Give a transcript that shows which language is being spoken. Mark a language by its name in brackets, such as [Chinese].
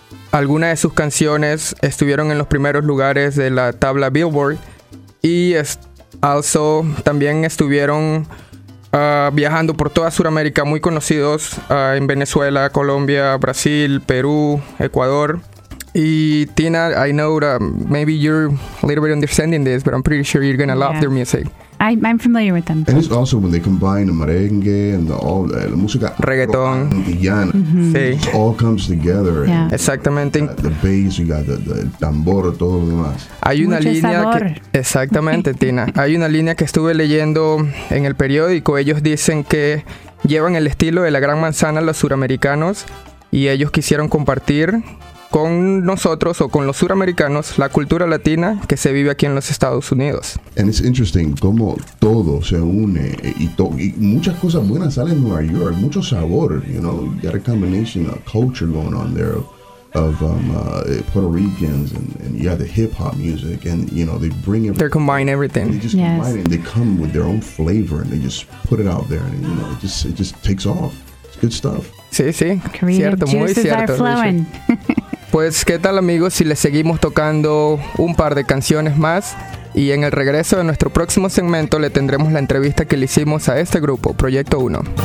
[Spanish] Algunas de sus canciones estuvieron en los primeros lugares de la tabla Billboard. Y también estuvieron viajando por toda Sudamérica, muy conocidos en Venezuela, Colombia, Brasil, Perú, Ecuador. [English] Y Tina, I know that maybe you're a little bit understanding this, but I'm pretty sure you're going to love their music. I'm familiar with them. And it's also when they combine the merengue and all the music. Reggaeton. Indiana. Mm-hmm. It all comes together. [Spanish] Yeah. Exactamente. [English] The bass, you got the tambor, [Spanish] todo lo demás. Hay una línea que, exactamente, Tina. Hay una línea que estuve leyendo en el periódico. Ellos dicen que llevan el estilo de la gran manzana a los suramericanos y ellos quisieron compartir con nosotros o con los suramericanos la cultura latina que se vive aquí en los Estados Unidos. [English] And it's interesting [Spanish] cómo todo se une y muchas cosas buenas salen de Nueva York, mucho sabor, [English] you know, you got a combination of culture going on there of Puerto Ricans and yeah, the hip hop music, and you know, they bring it, they combine everything. They just combine it and they come with their own flavor and they just put it out there and you know, it just takes off. It's good stuff. [Spanish] Sí, sí. [English] Creative [Spanish] cierto, [English] juices [Spanish] muy cierto. [English] Are flowing. [Spanish] Pues, ¿qué tal, amigos? Si les seguimos tocando un par de canciones más. Y en el regreso de nuestro próximo segmento le tendremos la entrevista que le hicimos a este grupo, Proyecto 1.